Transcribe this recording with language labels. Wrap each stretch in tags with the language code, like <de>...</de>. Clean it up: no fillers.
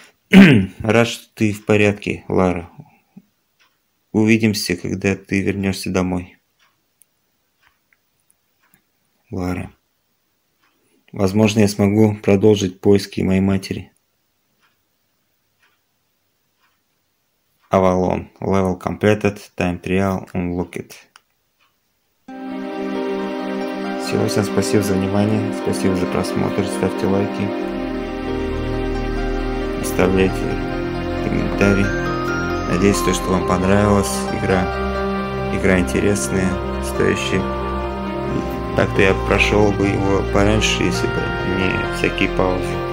<ru>Рад, что ты в порядке, Лара. Увидимся, когда ты вернешься домой. Лара. Возможно, я смогу продолжить поиски моей матери.</ru> <en>Avalon. Level completed. Time trial unlocked.</en> <ru>все. Всем спасибо за внимание. Спасибо за просмотр. Ставьте лайки. Оставляйте комментарии. Надеюсь, то, что вам понравилась игра. Игра интересная, стоящая. Так-то я прошел бы его пораньше, если бы не всякие паузы.</ru>